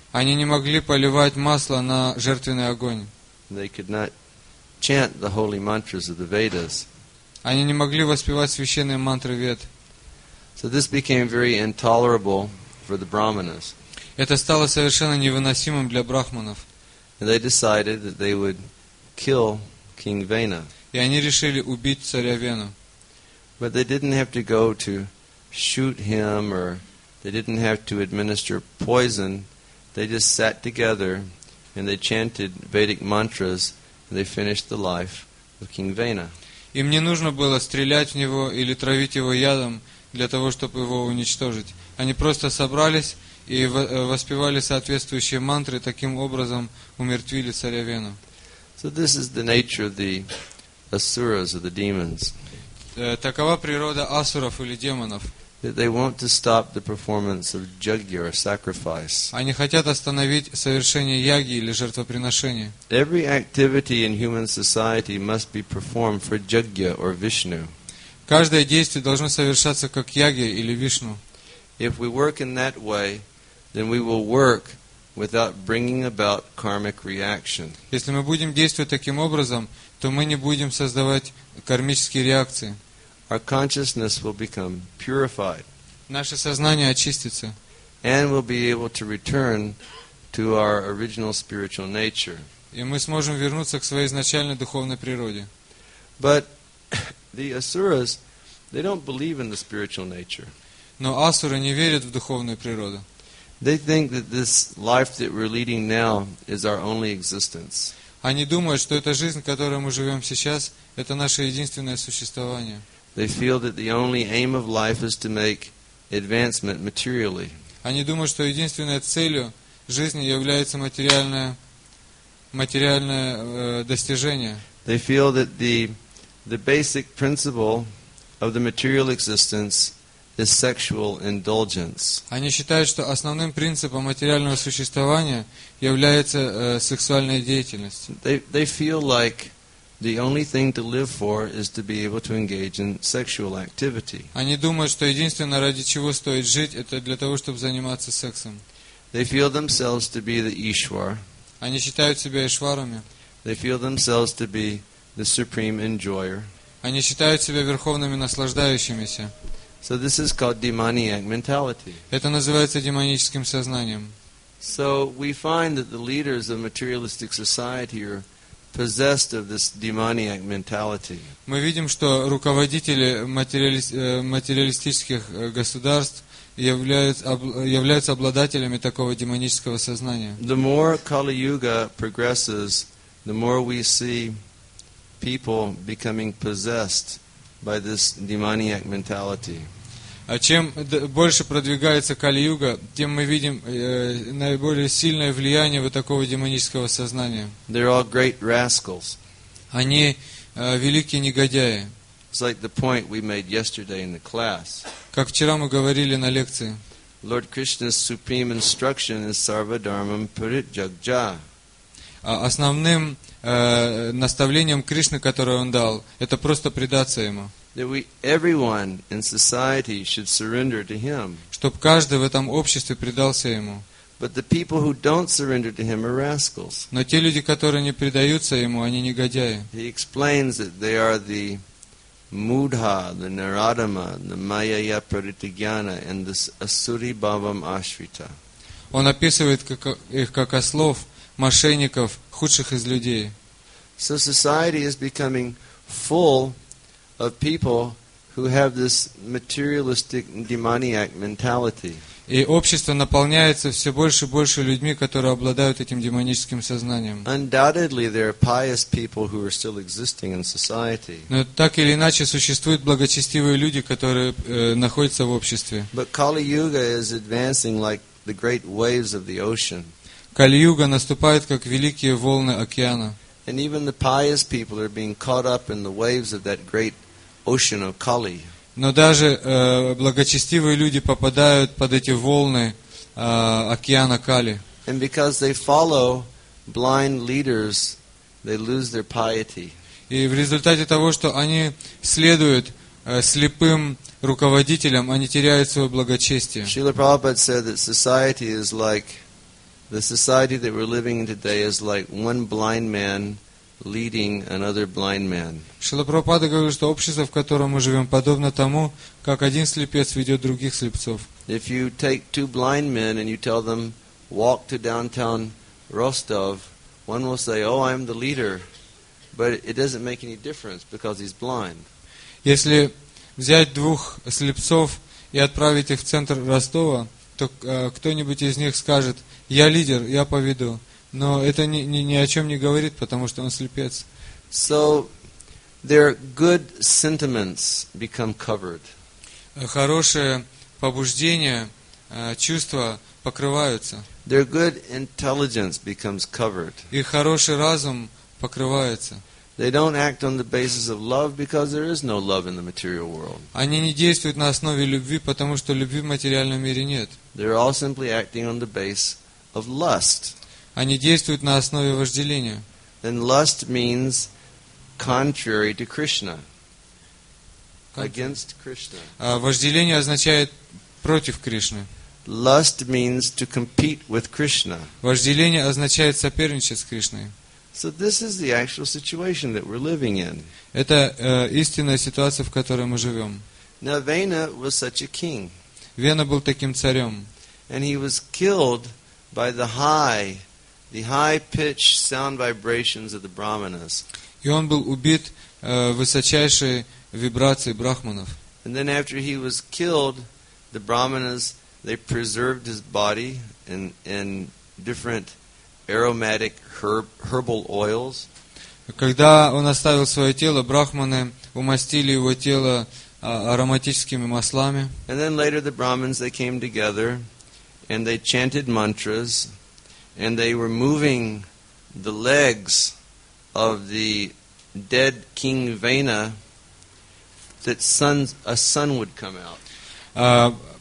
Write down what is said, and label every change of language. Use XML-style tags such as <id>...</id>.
<ru>Они не могли поливать масло на жертвенный огонь. Они не могли воспевать священные мантры Вед. Это стало совершенно невыносимым для брахманов. И они решили убить царя Вену.</ru> <en>But they didn't have to go to shoot him, or they didn't have to administer poison. They just sat together and they chanted Vedic mantras and they finished the life of King Vena.</en> <ru>Им не нужно было стрелять в него или травить его ядом для того, чтобы его уничтожить. Они просто собрались и воспевали соответствующие мантры, таким образом умертвили царя Вену.</ru> <en>So this is the nature of the asuras, of the demons.</en> <ru>Такова природа асуров или демонов.</ru> <en>They want to stop the performance of jagya or sacrifice.</en> <ru>Они хотят остановить совершение яги или жертвоприношения.</ru> <en>Every activity in human society must be performed for jagya or Vishnu.</en> <ru>Каждое действие должно совершаться как яги или Вишну.</ru> <en>If we work in that way, then we will work without bringing about karmic reaction.</en> <ru>Если мы будем действовать таким образом, то мы не будем создавать кармические реакции.</ru> <en>Our consciousness will become purified.</en> <ru>Наше сознание очистится.</ru> <en>And we'll be able to return to our original spiritual nature.</en> <ru>И мы сможем вернуться к своей изначальной духовной природе.</ru> <en>But the asuras, they don't believe in the spiritual nature.</en> <ru>Но асуры не верят в духовную природу.</ru> <en>They think that this life that we're leading now is our only existence.</en> <ru>Они думают, что эта жизнь, в которой мы живем сейчас, это наше единственное существование.</ru> <en>They feel that the only aim of life is to make advancement materially.</en> <ru>Они думают, что единственной целью жизни является материальное достижение.</ru> <en>They feel that the basic principle of the material existence is sexual indulgence.</en> <ru>Они считают, что основным принципом материального существования является сексуальная деятельность.</ru> <en>They feel like The only thing to live for is to be able to engage in sexual activity.</en> <ru>Они думают, что единственное, ради чего стоит жить, это для того, чтобы заниматься сексом.</ru> <en>They feel themselves to be the Ishwar.</en> <ru>Они считают себя Ишварами.</ru> <en>They feel themselves to be the supreme enjoyer.</en> <ru>Они считают себя верховными наслаждающимися.</ru> <en>So this is called demoniac mentality.</en> <ru>Это называется демоническим сознанием.</ru> <en>So we find that the leaders of materialistic society are possessed of this demoniac mentality.</en> <ru>Мы видим, что руководители материалистических государств являются обладателями такого демонического сознания.</ru> <en>The more Kali Yuga progresses, the more we see people becoming possessed by this demoniac mentality.</en> <ru>А чем больше продвигается Кали-Юга, тем мы видим наиболее сильное влияние вот такого демонического сознания.</ru> <en>They're all great rascals.</en> <ru>Они великие негодяи.</ru> <en>It's like the point we made yesterday in the class.</en> <ru>Как вчера мы говорили на лекции.</ru> <en>Lord Krishna's supreme instruction is</en> <sa>Sarva Dharmam Parityajya.</sa> <ru>Основным наставлением Кришны, которое он дал, это просто предаться ему.</ru> <en>That we, everyone in society should surrender to him.</en> <ru>Чтоб каждый в этом обществе предался ему.</ru> <en>But the people who don't surrender to him are rascals.</en> <ru>Но те люди, которые не предаются ему, они негодяи.</ru> <en>He explains that they are the mudha, the naradama, the mayaya pratigyana, and the</en> <sa>asuri bhavam ashrita.</sa> <ru>Он описывает их как ослов, мошенников, худших из людей.</ru> <en>So society is becoming full of people who have this materialistic demoniac mentality.</en> <ru>И общество наполняется все больше и больше людьми, которые обладают этим демоническим сознанием.</ru> <en>Undoubtedly, there are pious people who are still existing in society.</en> <ru>Но так или иначе существуют благочестивые люди, которые находятся в обществе.</ru> <en>But Kali Yuga is advancing like the great waves of the ocean.</en> <ru>Кали-юга наступает как великие волны океана.</ru> <en>And even the pious people are being caught up in the waves of that great ocean of Kali.</en> <ru>Но даже благочестивые люди попадают под эти волны океана Кали.</ru> <en>And because they follow blind leaders, they lose their piety.</en> <ru>И в результате того, что они следуют слепым руководителям, они теряют свое благочестие.</ru> <en>Srila Prabhupada said that society is like the society that we're living in today is like one blind man leading another blind man.</en> <ru>Шрила Прабхупада говорит, что общество, в котором мы живем, подобно тому, как один слепец ведет других слепцов.</ru> <en>If you take two blind men and you tell them walk to downtown Rostov, one will say, "Oh, I'm the leader," but it doesn't make any difference because he's blind.</en> <ru>Если взять двух слепцов и отправить их в центр Ростова, то кто-нибудь из них скажет: я лидер, я поведу. Но это ни о чем не говорит, потому что он слепец.</ru> <en>So their good sentiments become covered.</en> <ru>Хорошие побуждения, чувства покрываются.</ru> <en>Their good intelligence becomes covered.</en> <ru>Их хороший разум покрывается.</ru> <en>They don't act on the basis of love because there is no love in the material world.</en> <ru>Они не действуют на основе любви, потому что любви в материальном мире нет.</ru> <en>They're all simply acting on the basis of lust.</en> <ru>Они действуют на основе вожделения.</ru> <en>And lust means contrary to Krishna. Against Krishna.</en> <ru>Вожделение означает против Кришны.</ru> <en>Lust means to compete with Krishna.</en> <ru>Вожделение означает соперничать с Кришной.</ru> <en>So this is the actual situation that we're living in.</en> <ru>Это истинная ситуация, в которой мы живем.</ru> <en>Now Vena was such a king.</en> <ru>Вена был таким царем.</ru> <en>And he was killed by the high-pitched sound vibrations of the brahmanas.</en> <ru>И он был убит высочайшей вибрацией брахманов.</ru> <en>And then after he was killed, the brahmanas, they preserved his body in different aromatic herbal oils.</en> <ru>Когда он оставил свое тело, брахманы умастили его тело ароматическими маслами.</ru> <en>And then later the brahmins, they came together and they chanted mantras and they were moving the legs of the dead king Vena that a sun would come out.</en>